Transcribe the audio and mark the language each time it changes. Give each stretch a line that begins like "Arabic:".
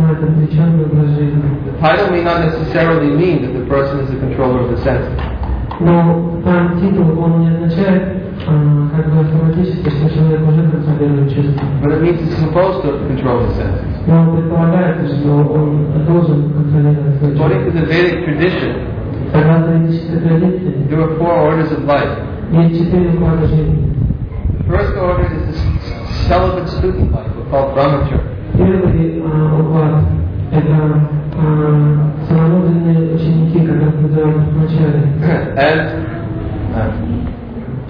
English: The title may not necessarily mean that the person is the controller of the senses.
Russian: Но там титул, он не означает, как бы автоматически, что человек уже контролирует чувства.
English: But it means he's supposed to control the senses.
Russian: Но он предполагается, что он должен контролировать свои чувства.
English: According to the Vedic tradition, there were four orders of life. The first order is the celibate student life, called brahmacharya. And